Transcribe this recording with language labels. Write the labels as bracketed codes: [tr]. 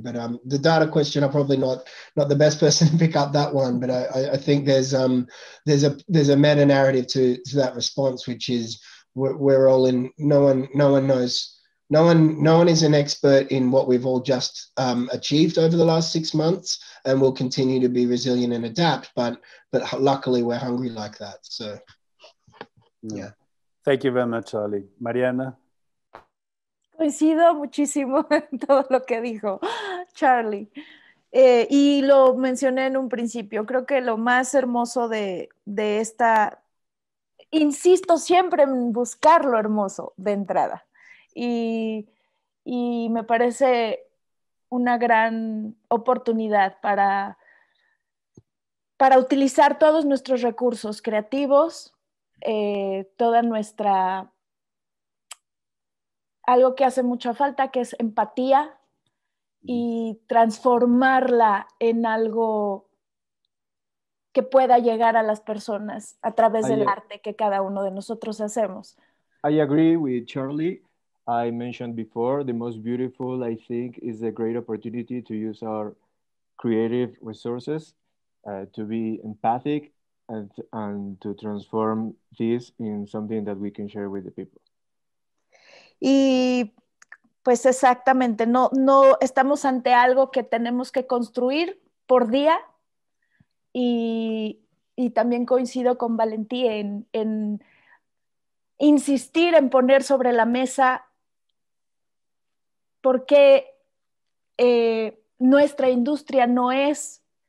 [en] But the data question, I'm probably not the best person to pick up that one, but I think there's a meta narrative to that response, which is we're all in, no one is an expert in what we've all just achieved over the last 6 months, and we'll continue to be resilient and adapt, but luckily we're hungry like that, so yeah. Thank you very much, Charlie. Mariana? [es] Coincido muchísimo en todo lo que dijo Charlie. Y lo mencioné en un principio, creo que lo más hermoso de esta insisto siempre en buscar lo hermoso de entrada. Y me parece una gran oportunidad para utilizar todos nuestros recursos creativos, toda nuestra... algo que hace mucha falta, que es empatía, y transformarla en algo que pueda llegar a las personas a través del arte que cada uno de nosotros hacemos. [en] I agree with Charlie. I mentioned before, the most beautiful, I think, is a great opportunity to use our creative resources, to be empathic and to transform this in something that we can share with the people. [es] Y pues exactamente, no estamos ante algo que tenemos que construir por día, y también coincido con Valentí en insistir en poner sobre la mesa por qué nuestra industria no es